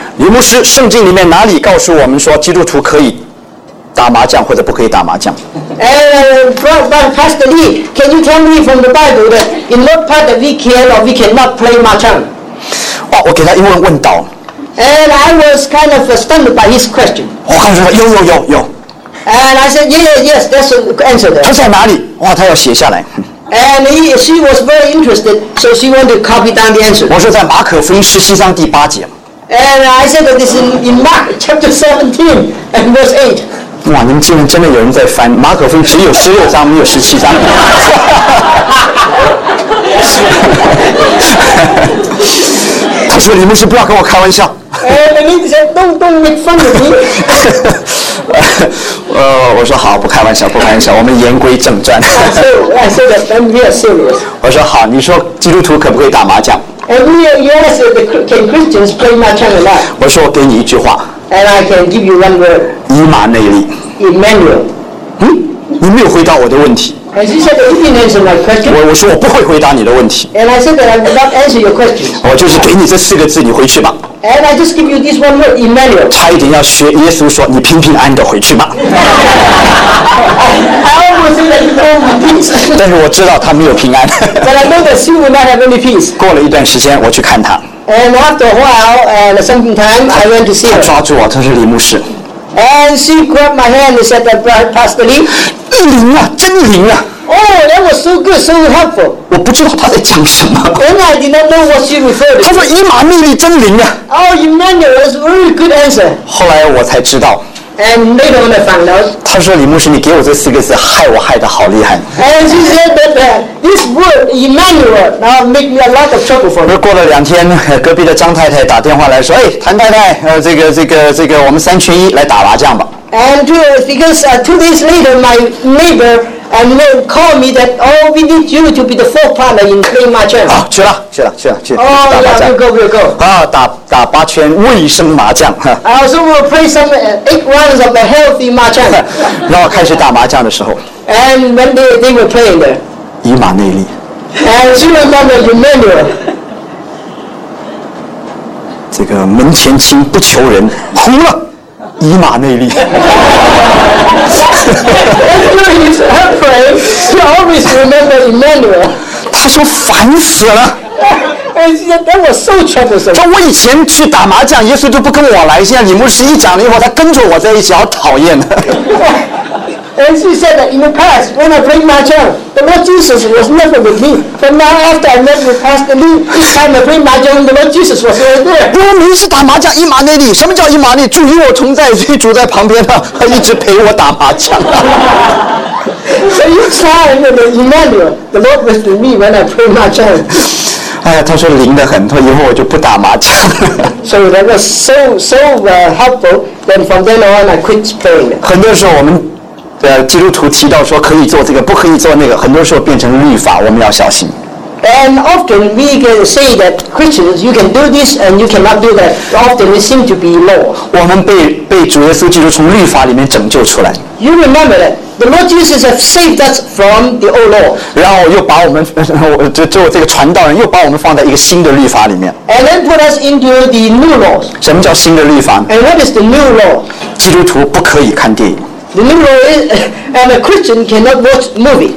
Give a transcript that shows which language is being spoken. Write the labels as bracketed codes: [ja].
[zh] 李牧师，圣经里面哪里告诉我们说基督徒可以？打麻将或者不可以打麻将。 [en] Pastor Lee, can you tell me from the Bible that in what part that we can or we cannot play mahjong? [zh] 哇，我给他一问问到。 [en] And I was kind of stunned by his question. [zh] 我告诉他有。 [en] And I said yes, that's the answer there. [zh] 他在哪里？哇，他要写下来。 [en] And she was very interested, so she wanted to copy down the answer. [zh] 我说在马可福音十七章第八节。 [en] And I said that this is in Mark chapter 17 and verse 8. [zh] 哇，你们今天真的有人在翻马可福音，只有十六章，没有十七章。他说：“李牧师，不要跟我开玩笑。” 我说好，不开玩笑，我们言归正传。我说好，你说基督徒可不可以打麻将？我说我给你一句话。 [en] And I can give you one word. [zh] 以马内利。 [en] Emmanuel. [zh] 你没有回答我的问题。 [en] And she said that you didn't answer my question. [zh] 我说我不会回答你的问题。 [en] And I said that I will not answer your question. [zh] 我就是给你这四个字，你回去吧。 [en] And I just give you this one word, Emmanuel. [zh] 差一点要学耶稣说，你平平安的回去吧。 [en] I almost said that you will have peace. [zh] 但是我知道他没有平安。 [en] But I know that she will not have any peace. [zh] 过了一段时间，我去看他。 [en] And after a while, and some time, I went to see her. [zh] 他抓住我，他是李牧师。 [en] And she grabbed my hand and said, Pastor Lee. [zh] 灵啊，真灵啊。 [en] Oh, that was so good, so helpful. [zh] 我不知道他在讲什么。 [en] And I did not know what she referred to. [zh] 他说以马内利真灵啊。 [en] Oh, Emmanuel, that's a very good answer. [zh] 后来我才知道。 [en] And later on I found out. [zh] 他说李牧师，你给我这四个字，害我害得好厉害。 [en] And she said that this word, Emmanuel, now make me a lot of trouble for me. [zh] 过了两天，隔壁的张太太打电话来说，哎，谭太太，这个，我们三缺一，来打麻将吧。 [en] And two days later, my neighbor called me that, oh, we need you to be the fourth partner in playing mahjong. [zh] 去了， [en] Oh, yeah, go. [zh] 打八圈卫生麻将。 [en] So we'll play some eight rounds of a healthy mahjong. [zh] 然后开始打麻将的时候。 [en] And when they were playing there. [zh] 以马内利。 [en] And she remembered Emmanuel. [zh] 这个门前清不求人，哭了。以马内利。他说烦死了。他我以前去打麻将，耶稣都不跟我来，现在李牧师一讲了以后，他跟着我在一起，好讨厌的。 [en] And she said that in the past, when I played mahjong, the Lord Jesus was never with me. But now, after I met with Pastor Lee, each time I played mahjong, the Lord Jesus was right there. [zh] 我明是打麻将，以马内利。什么叫以马内利？主与我同在，主在旁边呢，他一直陪我打麻将。 [en] So each time, the Emmanuel, the Lord was with me when I played mahjong. [zh] 哎呀，他说灵得很，他以后我就不打麻将。 [en] So that was so helpful. Then from then on, I quit playing. [zh] 很多时候我们。基督徒提到说可以做这个，不可以做那个，很多时候变成律法，我们要小心。 [en] And often we can say that Christians, you can do this and you cannot do that. Often it seems to be law. [zh] 我们被主耶稣基督从律法里面拯救出来。 [en] You remember that The Lord Jesus has saved us from the old law. [zh] 然后又把我们，就这个传道人又把我们放在一个新的律法里面。 [en] And then put us into the new law. [zh] 什么叫新的律法 [en] ？And what is the new law? [zh] 基督徒不可以看电影。 [en] The new law is, and a Christian cannot watch movie.